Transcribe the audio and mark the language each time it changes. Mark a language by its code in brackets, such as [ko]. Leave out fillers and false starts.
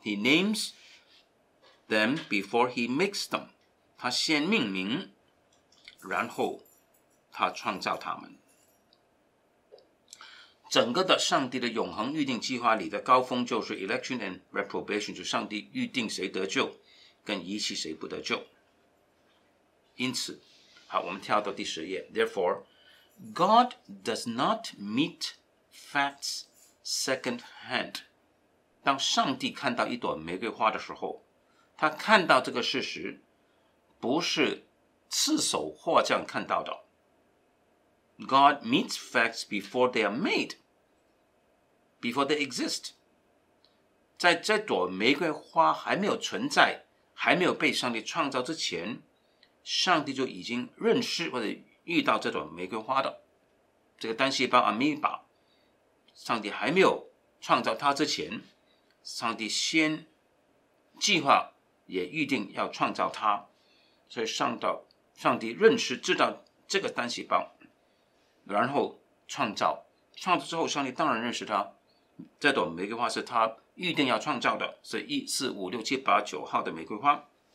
[en] He namesThen before he makes them， [zh] 他先命名，然后他创造他们。整个的上帝的永恒预定计划里的高峰就是 [en] election and reprobation， [zh] 就是上帝预定谁得救跟遗弃谁不得救。因此好，我们跳到第10页。 [en] Therefore God does not meet facts second hand。 [zh] 当上帝看到一朵玫瑰花的时候，他看到这个事实不是赤手或这样看到的。 [en] God meets facts before they are made, before they exist。 [zh] 在这朵玫瑰花还没有存在，还没有被上帝创造之前，上帝就已经认识或者遇到这朵玫瑰花的这个单细胞 amoeba。上帝还没有创造它之前，上帝先计划也预定要创造它，所以上帝认识知道这个单细胞，然后创造之后，上帝当然认识它，这朵玫瑰花是他预定要创造的，是14567-89号的玫瑰花。